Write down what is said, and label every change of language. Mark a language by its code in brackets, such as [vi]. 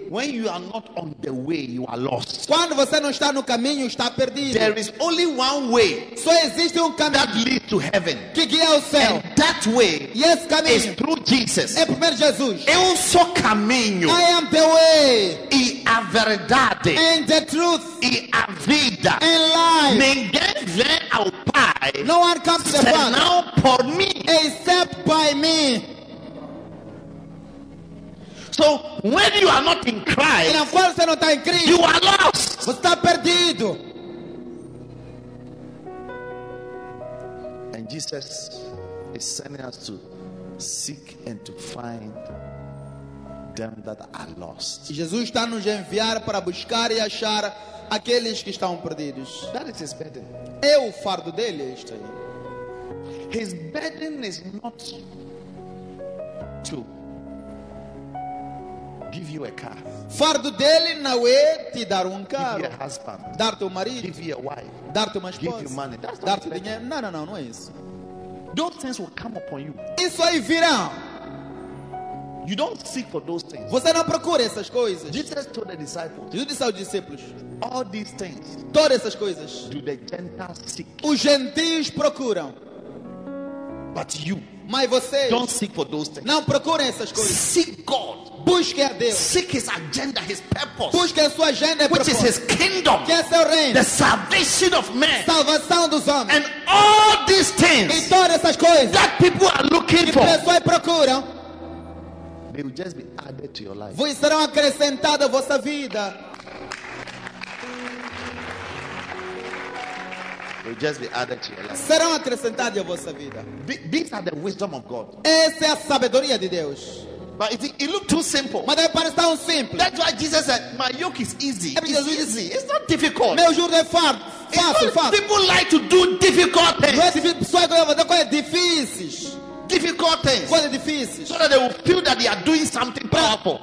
[en] When you are not on the way, you are lost. [pt] Quando você não está no caminho, está perdido. [en] There is only one way. [pt] Só existe caminho [en] that leads to heaven. [pt] Que guia ao céu. [en] And that way, [pt] yes, caminho, [en] is through Jesus. [pt] É primeiro Jesus. Eu sou caminho. [en] I am the way. [pt] E a verdade. [en] And the truth. [pt] E a vida. [en] And life. [pt] Ninguém vem ao Pai. [en] No one comes to the Father. [pt] Senão por mim. [en] Except by me. So when you are not in Christ, [pt] e quando você não está em Cristo, [en] you are lost. [pt] Você está perdido. [en] And Jesus is sending us to seek and to find them that are lost. [pt] Jesus está nos enviar para buscar e achar aqueles que estão perdidos. [en] That is his burden. [pt] É o fardo dele, isto aí. [en] His burden is not to give you a car. [pt] Fardo dele não é te dar carro. [en] Give you a husband. [pt] Dar teu marido. [en] Give you a wife. [pt] Dar teu esposa. [en] Give you money. [pt] Dar teu dinheiro. Não é isso. [en] Those things will come upon you. [pt] Isso aí virá. [en] You don't seek for those things. [pt] Você não procura essas coisas. [en] Jesus told the disciples. [pt] Jesus disse aos discípulos. [en] All these things. [pt] Todas essas coisas. [en] Do the Gentiles seek? [pt] Os gentios procuram. [en] But you, [pt] mas vocês, [en] don't seek for those things. [pt] Não procurem essas coisas. [en] Seek God. [pt] Busque a Deus. [en] Seek His agenda, His purpose. [pt] Busque a sua agenda, [en] which [pt] propósito, [en] is His kingdom. [pt] Que é seu reino. [en] The salvation of men. [pt] Salvação dos homens. [en] And all these things. [pt] E todas essas coisas. [en] That people are looking [pt] que [en] for. [pt] Que pessoas procuram. [en] They will just be added to your life. [pt] Vocês serão acrescentados à vossa vida. [en] Will just be added to your life. [pt] Serão acrescentados à vossa vida. [en] These are the wisdom of God. [pt] Essa é a sabedoria de Deus. [en] But it looked too simple. [pt] Mas deve parecer tão simples. [en] That's why Jesus said, my yoke is easy. It's easy. Easy. It's not difficult. [pt] Meu jugo é fácil. [en] People like to do difficult things. [pt] Pessoas gostam de fazer coisas difíceis. [en] Difficult things. [pt] Coisas difíceis. [en] So that they will feel that they are doing something powerful.